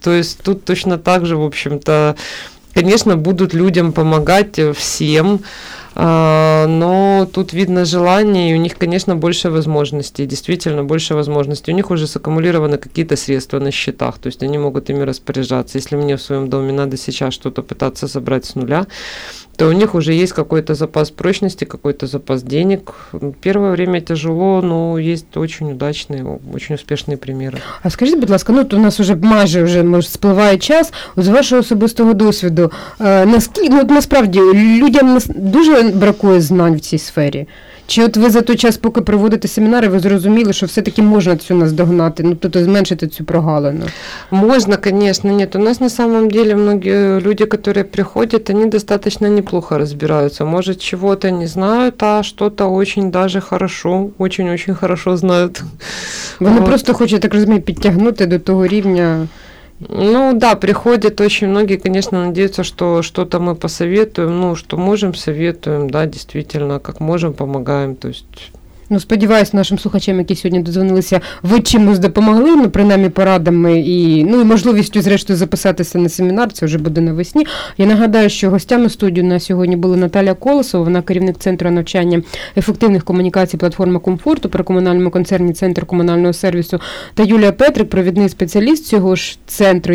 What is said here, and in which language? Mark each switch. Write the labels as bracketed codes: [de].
[ru] То есть тут точно так же, в общем-то, конечно, будут людям помогать всем, но тут видно желание, и у них, конечно, больше возможностей, действительно больше возможностей. У них уже саккумулированы какие-то средства на счетах, то есть они могут ими распоряжаться. Если мне в своем доме надо сейчас что-то пытаться забрать с нуля, то у них уже есть какой-то запас прочности, какой-то запас денег. Первое время тяжело, но есть очень удачные, очень успешные примеры. [uk] А скажите, будь ласка, ну, то у нас уже майже вже, може, спливає час, з вашого особистого досвіду, наскільки, ну, насправді, людям дуже бракує знань в цій сфері? Чи от ви за той час, поки проводите семінари, ви зрозуміли, що все-таки можна цю наздогнати, ну, тобто зменшити цю прогалину? Можна, звісно. [ru] Ні, у нас на самом деле многие люди, которые приходят, они достаточно неплохо разбираются. Может, чего-то не знают, а что-то очень даже хорошо, очень-очень хорошо знают. [uk] Вони просто хочуть, так розумію, підтягнути до того рівня. [ru] Ну да, приходят очень многие, конечно, надеются, что что-то мы посоветуем, ну что можем, советуем, да, действительно, как можем, помогаем, то есть... [uk] Ну, сподіваюсь, нашим слухачам, які сьогодні дозвонилися, ви чимось допомогли, ну, принаймні, порадами і, ну, і можливістю, зрештою, записатися на семінар, це вже буде навесні. Я нагадаю, що гостями студії на сьогодні була Наталія Колосова, вона керівник Центру навчання ефективних комунікацій платформи «Комфорту» при комунальному концерні «Центр комунального сервісу», та Юлія Петрик, провідний спеціаліст цього ж центру.